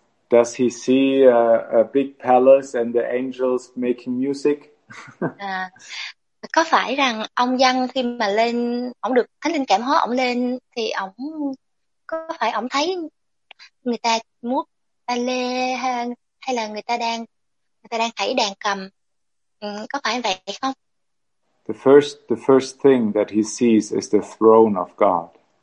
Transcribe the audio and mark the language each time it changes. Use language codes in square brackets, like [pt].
[en] Does he see a big palace and the angels making music? [vi] Có phải rằng ông Giăng khi mà lên, ông được Thánh Linh cảm hóa, ông lên thì ông có phải ông thấy người ta múa ba lê hay là người ta đang thảy đàn cầm, có phải vậy không? [en] The first thing that he sees is the throne of God.